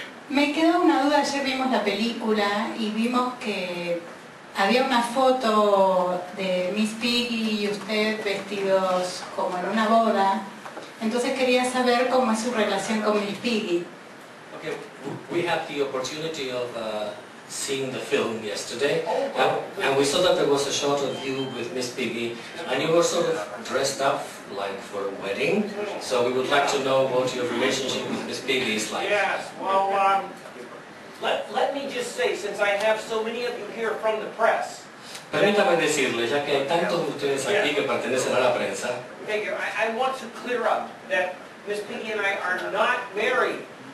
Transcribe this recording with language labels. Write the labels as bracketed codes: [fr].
[es] Me quedó una duda, ayer vimos la película y vimos que había una foto de Miss Piggy y usted vestidos como en una boda. Entonces quería saber cómo es su relación con Miss Piggy. [en] We had the opportunity of seeing the film yesterday, oh, and we saw that there was a shot of you with Miss Piggy, and you were sort of dressed up like for a wedding, so we would like to know what your relationship with Miss Piggy is like. Yes, well, let me just say, since I have so many of you here from the press. [es] Permítame decirle, ya que hay tantos de ustedes aquí que pertenecen a la prensa. [en] Thank you. I want to clear up that Miss Piggy and I are not married.